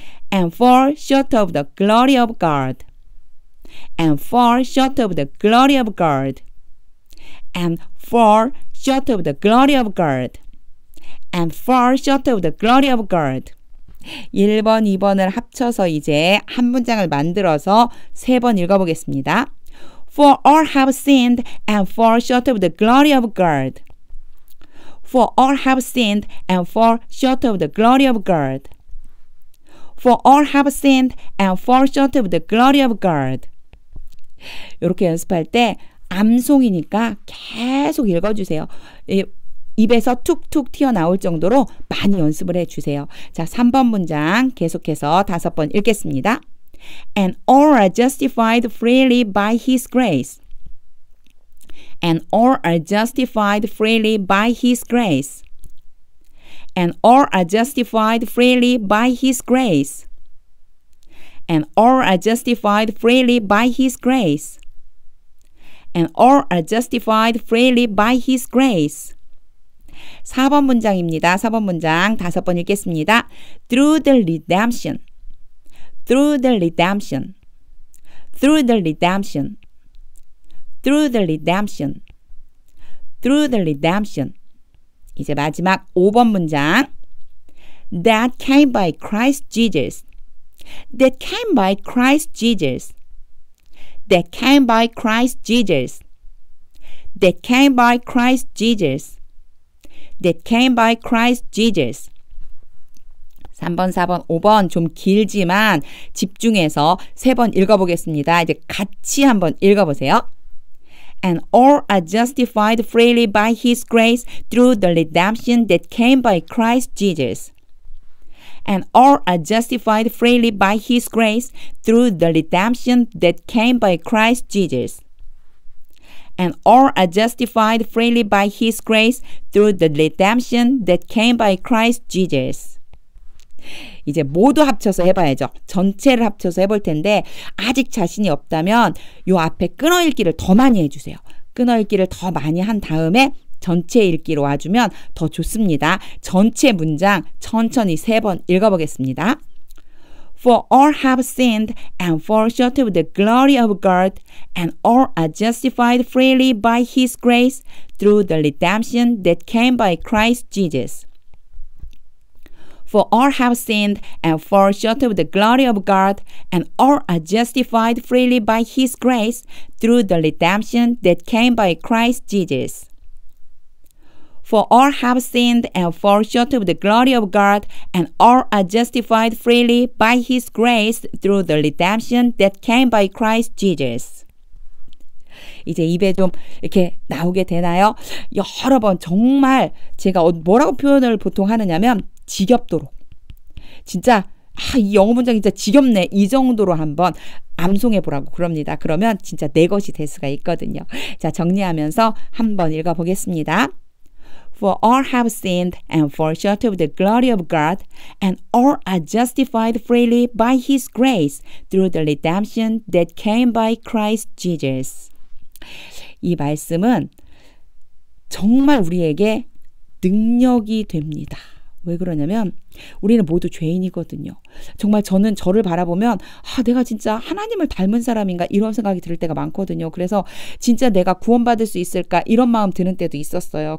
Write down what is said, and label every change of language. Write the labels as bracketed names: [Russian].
[Korean] 1번, 2번을 합쳐서 이제 한 문장을 만들어서 3번 읽어보겠습니다. [English] For all have sinned and fall short of the glory of God. For all have sinned and fall short of the glory of God. For all have sinned and fall short of the glory of God. [Korean] 이렇게 연습할 때 암송이니까 계속 읽어주세요. 입에서 툭툭 튀어나올 정도로 많이 연습을 해주세요. 자, 3번 문장 계속해서 5번 읽겠습니다. [English] And all are justified freely by his grace. and all are justified freely by His grace. And all are justified freely by His grace. And all are justified freely by His grace. And all are justified freely by His grace. [Korean] 4번 문장입니다. 4번 문장 다섯 번 읽겠습니다. [English] Through the redemption. Through the redemption. Through the redemption. Through the redemption. Through the redemption. [Korean] 이제 마지막 5번 문장. [English] That came by Christ Jesus. That came by Christ Jesus. That came by Christ Jesus. That came by Christ Jesus. That came by Christ Jesus. [Korean] 3번, 4번, 5번 좀 길지만 집중해서 3번 읽어보겠습니다. 이제 같이 한번 읽어보세요. [English] And all are justified freely by His grace through the redemption that came by Christ Jesus. And all are justified freely by His grace through the redemption that came by Christ Jesus. And all are justified freely by His grace through the redemption that came by Christ Jesus. [Korean] 이제 모두 합쳐서 해봐야죠. 전체를 합쳐서 해볼 텐데 아직 자신이 없다면 요 앞에 끊어읽기를 더 많이 해주세요. 끊어읽기를 더 많이 한 다음에 전체 읽기로 와주면 더 좋습니다. 전체 문장 천천히 세 번 읽어보겠습니다. [English] For all have sinned and fall short of the glory of God and all are justified freely by His grace through the redemption that came by Christ Jesus. For all have sinned and fall short of the glory of God and all are justified freely by His grace through the redemption that came by Christ Jesus. For all have sinned and fall short of the glory of God and all are justified freely by His grace through the redemption that came by Christ Jesus. [Korean] 이제 입에 좀 이렇게 나오게 되나요? 여러 번 정말 제가 뭐라고 표현을 보통 하느냐면 지겹도록 진짜 이 영어 문장 진짜 지겹네 이 정도로 한번 암송해보라고 그럽니다. 그러면 진짜 내 것이 될 수가 있거든요. 자 정리하면서 한번 읽어보겠습니다. [English] For all have sinned and fall short of the glory of God and all are justified freely by His grace through the redemption that came by Christ Jesus. [Korean] 이 말씀은 정말 우리에게 능력이 됩니다. 왜 그러냐면 우리는 모두 죄인이거든요. 정말 저는 저를 바라보면 내가 진짜 하나님을 닮은 사람인가 이런 생각이 들 때가 많거든요. 그래서 진짜 내가 구원받을 수 있을까 이런 마음 드는 때도 있었어요.